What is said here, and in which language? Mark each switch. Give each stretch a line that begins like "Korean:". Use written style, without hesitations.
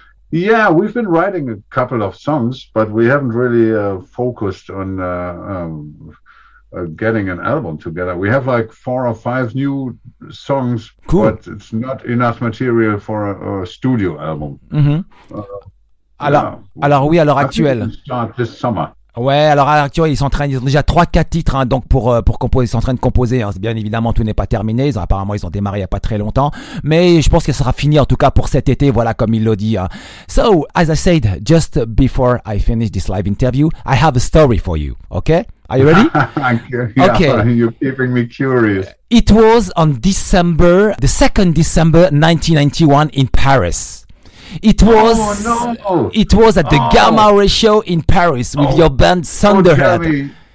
English: Yeah, we've been writing a couple of songs, but we haven't really focused on getting an album together. We have like 4 or 5 new songs, cool. But it's not enough material for a studio album.
French: Mm-hmm. Alors oui, à l'heure actuelle.
English: Start this summer.
French: Ouais, alors à l'actuel, ils ont déjà 3-4 titres, hein, donc pour composer, ils sont en train de composer, hein. Bien évidemment, tout n'est pas terminé, apparemment, ils ont démarré il n'y a pas très longtemps, mais je pense que ça sera fini, en tout cas, pour cet été, voilà, comme il l'a dit, hein.
English: So, as I said, just before I finish this live interview, I have a story for you, okay? Are you ready? Yeah, okay. You're keeping me curious. It was on December, the 2nd December 1991 in Paris. It was at the Gamma Ray show in Paris with your band Thunderhead.